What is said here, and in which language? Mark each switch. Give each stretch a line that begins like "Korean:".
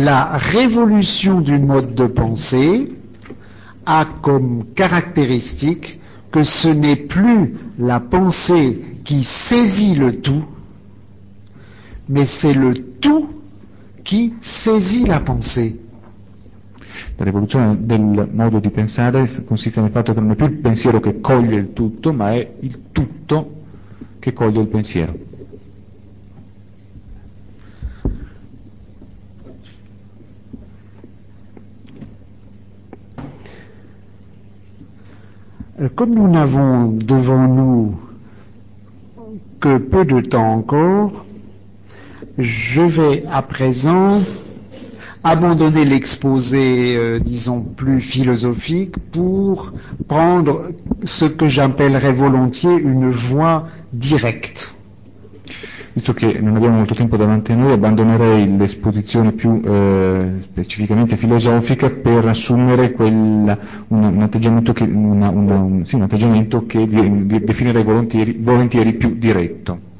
French: La révolution du mode de pensée a comme caractéristique que ce n'est plus la pensée qui saisit le tout, mais c'est le tout qui saisit la pensée.
Italian: La rivoluzione del modo di pensare consiste nel fatto che non è più il pensiero che coglie il tutto, ma è il tutto che coglie il pensiero.
French: Comme nous n'avons devant nous que peu de temps encore, je vais à présent abandonner l'exposé, disons, plus philosophique pour prendre ce que j'appellerais volontiers une voie directe.
Italian: Visto che non abbiamo molto tempo davanti a noi, abbandonerei l'esposizione più specificamente filosofica per assumere un atteggiamento che definirei volentieri più diretto.